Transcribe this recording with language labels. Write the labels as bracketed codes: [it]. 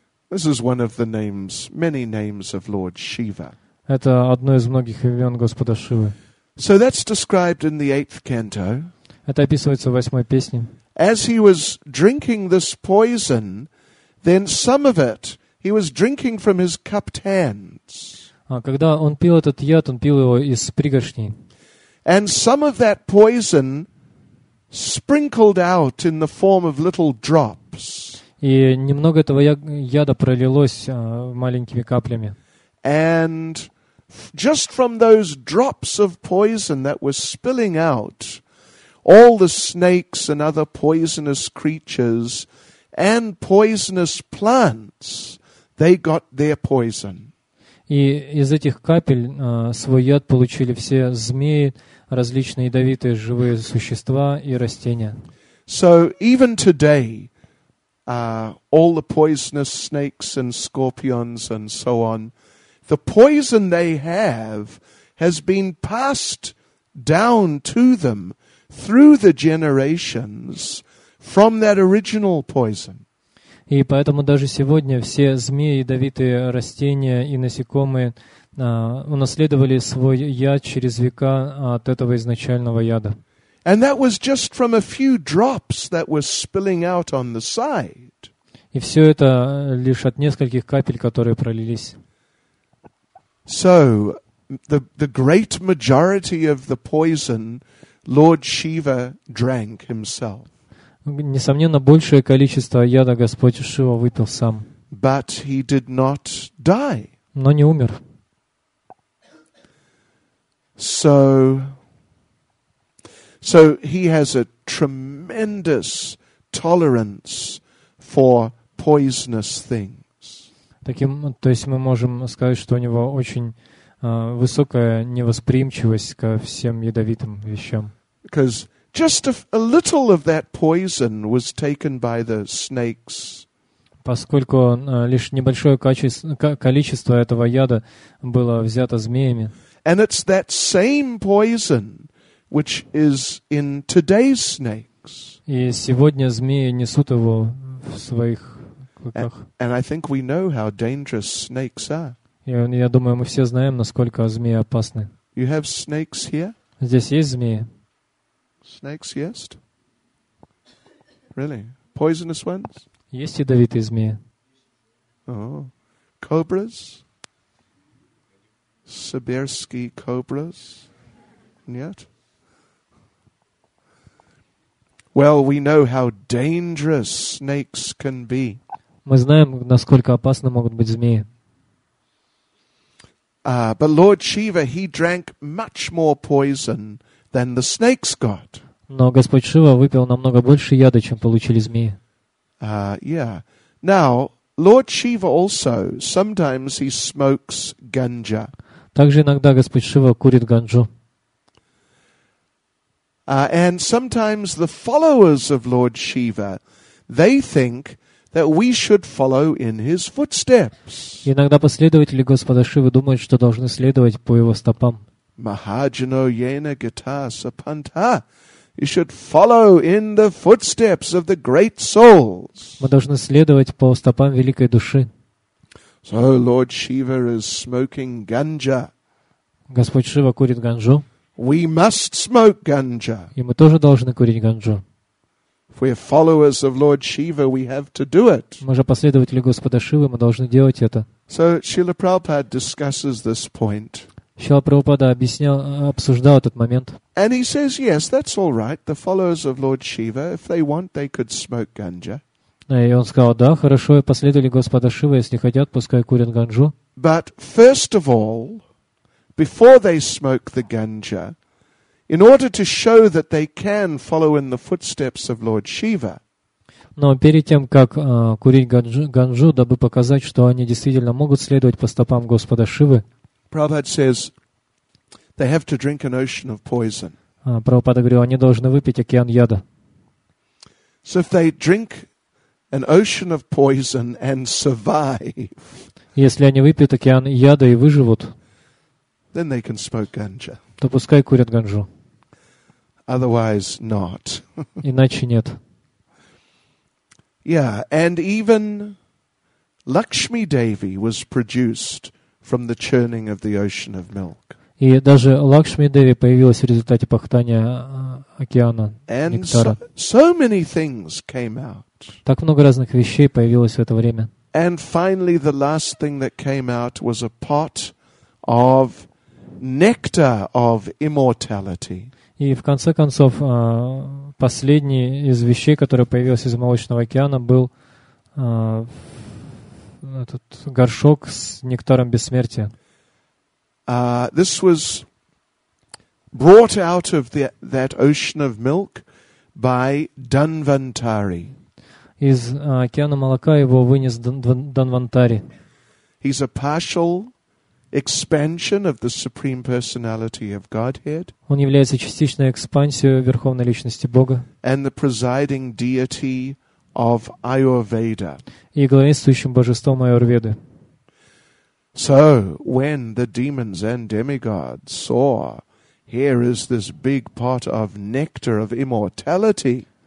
[en] This is one of the names, many names of Lord Shiva. [ru] Это одно из многих имен Господа Шивы. [en] So that's described in the eighth canto. [ru] Это описывается в восьмой песне. [en] As he was drinking this poison, then some of it he was drinking from his cupped hands. [ru] Когда он пил этот яд, он пил его из пригоршни. [en] And some of that poison sprinkled out in the form of little drops. [ru] И немного этого яда пролилось маленькими каплями. [en] And just from those drops of poison that were spilling out, all the snakes and other poisonous creatures and poisonous plants, they got their poison. [ru] И из этих капель свой яд получили все змеи, различные ядовитые живые существа и растения. [en] So even today, all the poisonous snakes and scorpions and so on, the poison they have has been passed down to them through the generations from that original poison. [ru] И поэтому даже сегодня все змеи, ядовитые растения и насекомые унаследовали свой яд через века от этого изначального яда. [en] And that was just from a few drops that were spilling out on the side. [ru] И все это лишь от нескольких капель, которые пролились. [en] So the great majority of the poison Lord Shiva drank himself. [ru] Несомненно, большее количество яда Господь Шива выпил сам. [en] But he did not die. [ru] Но не умер. [en] So he has a tremendous tolerance for poisonous things. [ru] То есть мы можем сказать, что у него очень высокая невосприимчивость ко всем ядовитым вещам. [en] Because just a little of that poison was taken by the snakes. [ru] Поскольку лишь небольшое количество этого яда было взято змеями. [en] And it's that same poison which is in today's snake. snakes. [ru] И сегодня змеи несут его в своих клыках. [en] And I think we know how dangerous snakes are. [ru] И я думаю, мы все знаем, насколько змеи опасны. [en] You have snakes here? [ru] Здесь есть змеи? [en] Snakes, yes. Really? Poisonous ones? [ru] Есть ядовитые змеи? [en] Oh, cobras. [ru] Siberские кобры? Нет. [en] Well, we know how dangerous snakes can be. [ru] Мы знаем, насколько опасны могут быть змеи. [en] But Lord Shiva, he drank much more poison than the snakes got. [ru] Но Господь Шива выпил намного больше яда, чем получили змеи. [en] Yeah. Now, Lord Shiva also sometimes he smokes ganja. [ru] Также иногда Господь Шива курит ганджу. [en] And sometimes the followers of Lord Shiva, they think that we should follow in his footsteps. [ru] Иногда последователи Господа Шивы думают, что должны следовать по его стопам. [sa] Mahajano yena gita sapanta. [en] You should follow in the footsteps of the great souls. [ru] Мы должны следовать по стопам великой души. [en] So Lord Shiva is smoking ganja. [ru] Господь Шива курит ганджу. [en] We must smoke ganja. [ru] И мы тоже должны курить ганджу. [en] If we are followers of Lord Shiva, we have to do it. [ru] Мы же последователи Господа Шивы, мы должны делать это. [en] So Srila Prabhupada discusses this point. [ru] Шрила Прабхупада обсуждал этот момент. [en] And he says, yes, that's all right. The followers of Lord Shiva, if they want, they could smoke ganja. [ru] И он сказал, да, хорошо, последователи Господа Шивы, если хотят, пускай курят ганджу. [en] But first of all, before they smoke the ganja, in order to show that they can follow in the footsteps of Lord Shiva. [ru] Но перед тем, как курить ганджу, дабы показать, что они действительно могут следовать по стопам Господа Шивы. [en] Prabhupada says they have to drink an ocean of poison. [ru] Прабхупада говорил, они должны выпить океан яда. [en] So if they drink an ocean of poison and survive. [ru] Если они выпьют океан яда и выживут, [en] then they can smoke ganja. [ru] То пускай курят ганджу. [en] Otherwise not. [ru] Иначе нет. [en] Yeah, and even Lakshmi Devi was produced from the churning of the ocean of milk. [ru] И даже Лакшми Деви появилась в результате пахтания океана нектара. [en] So many things came out. [ru] Так много разных вещей появилось в это время. [en] And finally the last thing that came out was a pot of nectar of immortality. [ru] И в конце концов, последний из вещей, который появился из молочного океана, был этот горшок с нектаром бессмертия. [en] This was brought out of that ocean of milk by Dhanvantari. [ru] Из океана молока его вынес Данвантари. [en] He's a partial expansion of the Supreme Personality of Godhead. [ru] Он является частичной экспансией Верховной Личности Бога. [en] And the presiding deity of Ayurveda. [ru] И главенствующим божеством Аюрведы. [en] So, when the demons and demigods saw, here is this big pot of nectar of immortality.